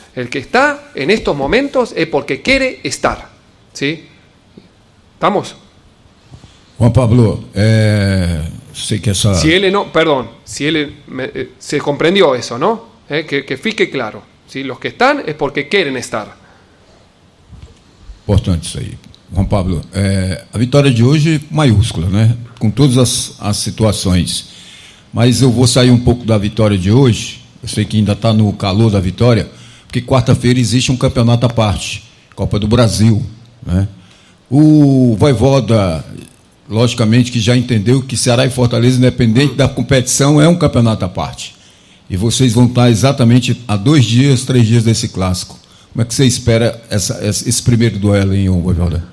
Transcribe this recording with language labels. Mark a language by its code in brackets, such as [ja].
[es] El que está en estos momentos es porque quiere estar. ¿Sí? ¿Estamos? Juan Pablo, sí que esa... Si él no, perdón, si él se comprendió eso, ¿no? [pt] Que fique claro. [es] ¿Sí? Los que están es porque quieren estar. [pt] Importante isso aí. Juan Pablo, a vitória de hoje maiúscula, né? Com todas as situações. Mas eu vou sair um pouco da vitória de hoje. Eu sei que ainda está no calor da vitória, porque quarta-feira existe um campeonato à parte, Copa do Brasil, né? O Vaivoda, logicamente, que já entendeu que Ceará e Fortaleza, independente da competição, é um campeonato à parte. E vocês vão estar exatamente a 2 dias, 3 dias desse clássico. [es] ¿Cómo es que se espera ese primer duelo en un Vaivoda?